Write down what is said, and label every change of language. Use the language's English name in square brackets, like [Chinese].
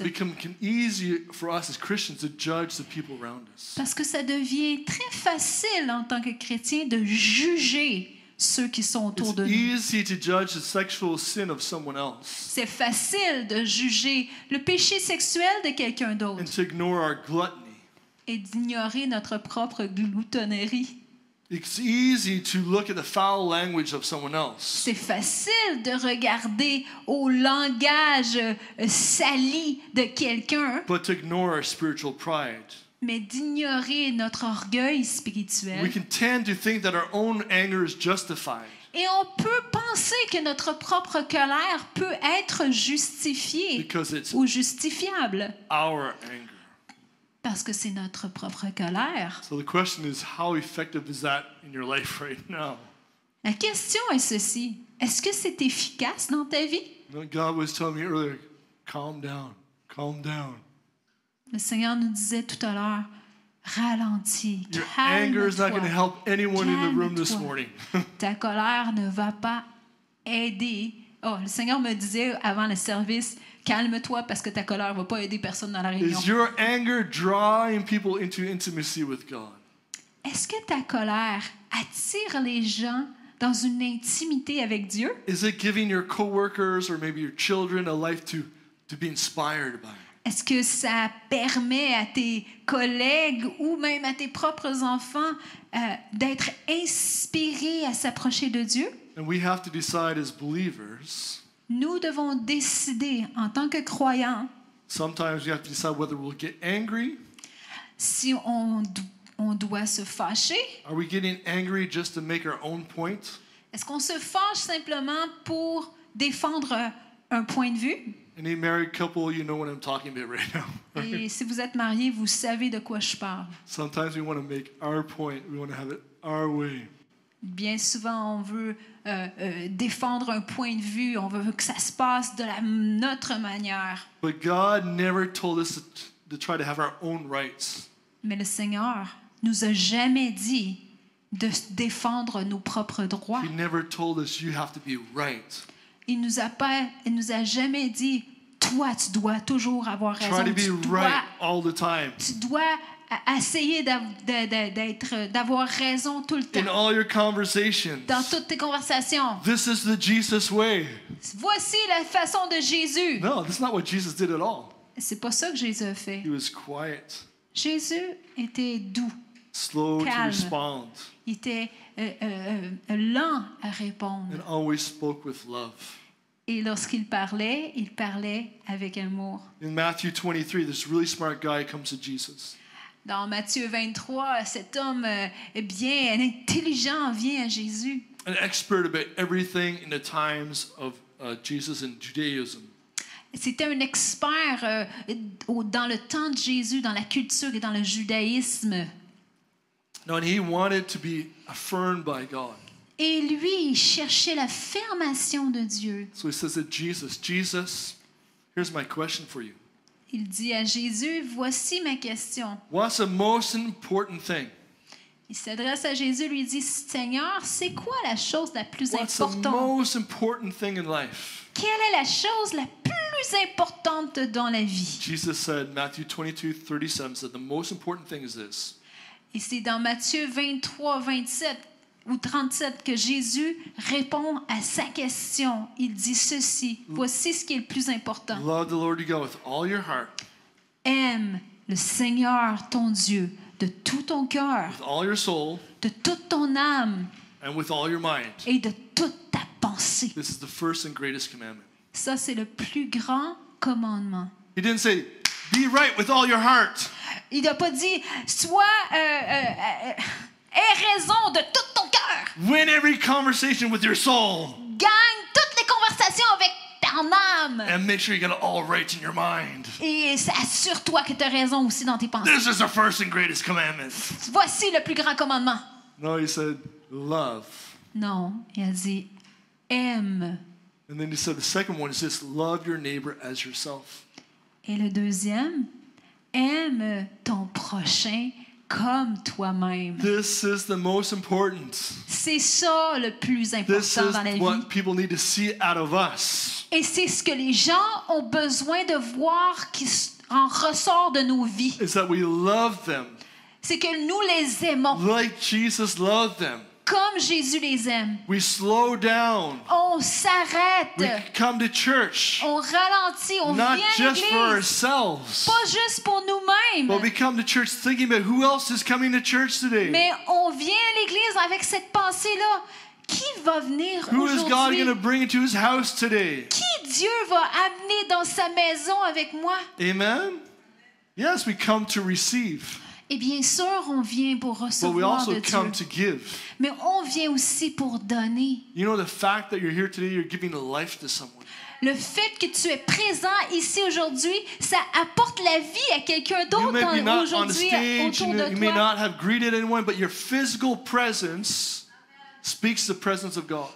[English] Because it becomes easier for us as Christians to judge the people around us. [French] Parce que ça devient très facile en tant que chrétien de juger ceux qui sont autour de nous. [English] It's easy to judge the sexual sin of someone else. [French] C'est facile de juger le péché sexuel de quelqu'un d'autre. [English] And to ignore our gluttony. [French] Et d'ignorer notre propre gloutonnerie. [English] It's easy to look at the foul language of someone else. [French] C'est facile de regarder au langage sali de quelqu'un. [English] But to ignore our spiritual pride. [French] Mais d'ignorer notre orgueil spirituel. [English] We can tend to think that our own anger is justified. [French] Et on peut penser que notre propre colère peut être justifiée ou justifiable. [English] Our anger. [French] Parce que c'est notre propre colère. [English] So the question is, how effective is that in your life right now? [French] La question est ceci: est-ce que c'est efficace dans ta vie? [English] God was telling me earlier, calm down, calm down. [French] Le Seigneur nous disait tout à l'heure, ralentis, calme-toi. [English] Your anger is not going to help anyone in the room this morning. [French] Ta colère ne va pas aider. Oh, le Seigneur me disait avant le service, calme-toi parce que ta colère ne va pas aider personne dans la réunion. [English] Is your anger drawing people into intimacy with God? [French] Est-ce que ta colère attire les gens dans une intimité avec Dieu? [English] Is it giving your coworkers or maybe your children a life to be inspired by? [French] Est-ce que ça permet à tes collègues ou même à tes propres enfants d'être inspirés à s'approcher de Dieu? [English] And we have to decide as believers. [French] Nous devons décider en tant que croyants. [English] Sometimes we have to decide whether we'll get angry. [French] Si on doit se fâcher. [English] Are we getting angry just to make our own point? [French] Est-ce qu'on se fâche simplement pour défendre un point de vue? [English] Any married couple, you know what I'm talking about right now. Right? [French] Et si vous êtes marié, vous savez de quoi je parle. [English] Sometimes we want to make our point, we want to have it our way. [French] Bien souvent, on veut défendre un point de vue, on veut que ça se passe de notre manière. [English] But God never told us to try to have our own rights. [French] Mais le Seigneur nous a jamais dit de défendre nos propres droits. [English] He never told us you have to be right. [French] Il nous a jamais dit, toi, tu dois toujours avoir raison. [English] Try to be right all the time. [French] Tu dois essayer d'avoir raison tout le temps. [English] In all your conversations. [French] Dans toutes tes conversations. [English] This is the Jesus way. [French] Voici la façon de Jésus. [English] No, that's not what Jesus did at all. [French] C'est pas ça que Jésus a fait. [English] He was quiet. [French] Jésus était doux. [English] Slow [French] calme. [English] To respond. [French] Il était lent à répondre. [English] And always spoke with love. [French] Et lorsqu'il parlait, il parlait avec amour. [English] In Matthew 23, this really smart guy comes to Jesus. [French] Dans Matthieu 23, cet homme bien intelligent vient à Jésus. [English] An expert about everything in the times of Jesus and Judaism. [French] C'était un expert dans le temps de Jésus, dans la culture et dans le judaïsme. [English] No, and he wanted to be affirmed by God. [French] Et lui, il cherchait l'affirmation de Dieu. [English] So he says to Jesus, Jesus, here's my question for you. [French] Il dit à Jésus, voici ma question. [English] What's the most important thing? [French] Il s'adresse à Jésus, lui dit, Seigneur, c'est quoi la chose la plus importante? [English] What's the most important thing in life? [French] Quelle est la chose la plus plus importante dans la vie. [English] Jesus said, Matthew 22:37 said, the most important thing is this. [French] Et c'est dans Matthieu 23, 27 ou 37 que Jésus répond à sa question. Il dit ceci. Voici ce qui est le plus important. [English] Love the Lord your God with all your heart. [French] Aime le Seigneur ton Dieu de tout ton cœur. [English] With all your soul. [French] De toute ton âme. [English] And with all your mind. [French] Et de toute ta pensée. [English] This is the first and greatest commandment. [French] Ça, c'est le plus grand commandement. [English] He didn't say, be right with all your heart. [French] Il n'a pas dit, sois, aie raison de tout ton cœur. [English] Win every conversation with your soul. [French] Gagne toutes les conversations avec ton âme. [English] And make sure you get it all right in your mind. [French] Et assure-toi que tu as raison aussi dans tes pensées. [English] This is the first and greatest commandment. [French] Voici le plus grand commandement. [English] No, he said, love. [French] Non, il a dit, aime. [English] And then he said, the second one is this, love your neighbor as yourself. [French] Et le deuxième, aime ton prochain comme toi-même. [English] This is the most important. [French] C'est ça le plus important dans la vie. [English] This is what people need to see out of us. [French] Et c'est ce que les gens ont besoin de voir qui en ressort de nos vies. [English] Is that we love them. [French] C'est que nous les aimons. [English] Like Jesus loved them. [French] Comme Jésus les aime. [English] We slow down. [French] On s'arrête. [English] We come to church. [French] On ralentit. On [English] not [French] vient [English] just [French] à l'église. [English] For ourselves. [French] Pas juste pour nous-mêmes. [English] But we come to church thinking about who else is coming to church today. [French] Mais on vient à l'église avec cette pensée-là. Qui va venir [English] who [French] aujourd'hui? [English] Is God going to bring into his house today? [French] Qui Dieu va amener dans sa maison avec moi? [English] Amen. Yes, we come to receive. [French] Et bien sûr, on vient pour recevoir de Dieu. Mais on vient aussi pour donner. [English] You know, the fact that you're here today, you're giving life to someone. [French] Le fait que tu es présent ici aujourd'hui, ça apporte la vie à quelqu'un d'autre aujourd'hui autour de toi. [English] You may not have greeted anyone, but your physical presence speaks the presence of God.